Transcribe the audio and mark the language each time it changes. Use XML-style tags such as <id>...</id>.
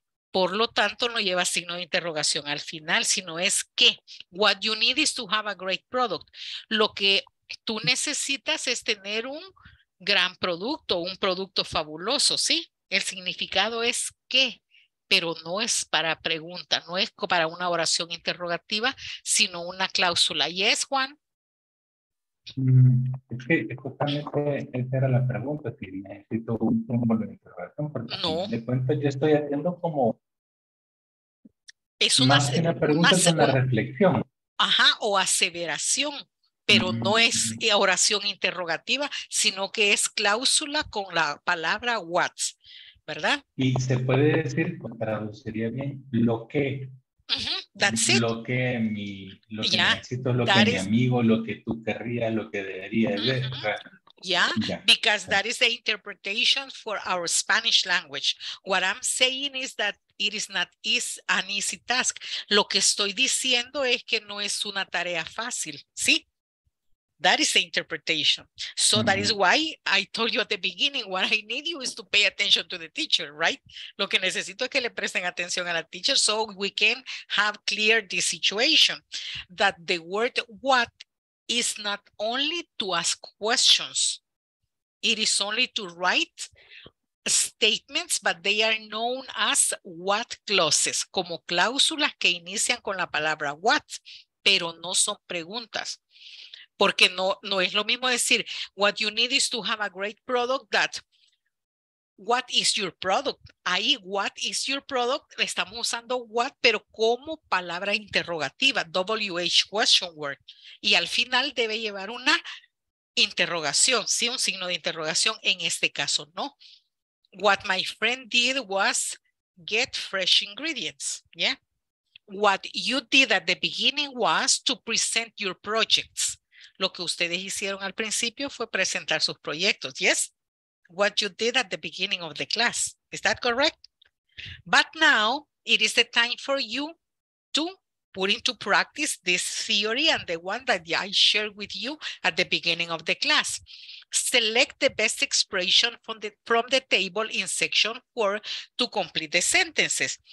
<es>Por lo tanto, no lleva signo de interrogación al final, sino es que.</es> <en>What you need is to have a great product.</en> <es>Lo que tú necesitas es tener un gran producto, un producto fabuloso, ¿sí? El significado es que, pero no es para pregunta, no es para una oración interrogativa, sino una cláusula.</es> <en>Yes, Juan.</en> <es>Es que justamente esa era la pregunta, si necesito un símbolo de interrogación, porque no. De cuenta yo estoy haciendo como es una, más que una pregunta con la reflexión. Ajá, o aseveración, pero no es oración interrogativa, sino que es cláusula con la palabra what, ¿verdad? Y se puede decir, pues, traduciría bien, lo que.</es> <en>That's it.</en> <es>Lo que mi, lo que necesito, lo que mi amigo, lo que tú querrías, lo que deberías ver.</es> <en>Because that is the interpretation for our Spanish language. What I'm saying is that it is not is an easy task.</en> <es>Lo que estoy diciendo es que no es una tarea fácil, ¿sí?</es> <en>That is the interpretation. So that is why I told you at the beginning, what I need you is to pay attention to the teacher, right?</en> <es>Lo que necesito es que le presten atención a la teacher</es> <en>so we can have clear the situation that the word what is not only to ask questions. It is only to write statements, but they are known as what clauses,</en> <es>como cláusulas que inician con la palabra what, pero no son preguntas. Porque no, no es lo mismo decir,</es> <en>what you need is to have a great product, that what is your product?</en> <es>Ahí,</es> <en>what is your product?</en> <es>Estamos usando what, pero como palabra interrogativa, WH question word. Y al final debe llevar una interrogación, ¿sí? Un signo de interrogación. En este caso, no.</es> <en>What my friend did was get fresh ingredients, yeah? What you did at the beginning was to present your projects.</en> <es>Lo que ustedes hicieron al principio fue presentar sus proyectos.</es> <en>Yes, what you did at the beginning of the class. Is that correct? But now it is the time for you to put into practice this theory and the one that I shared with you at the beginning of the class. Select the best expression from the table in section 4 to complete the sentences.</en>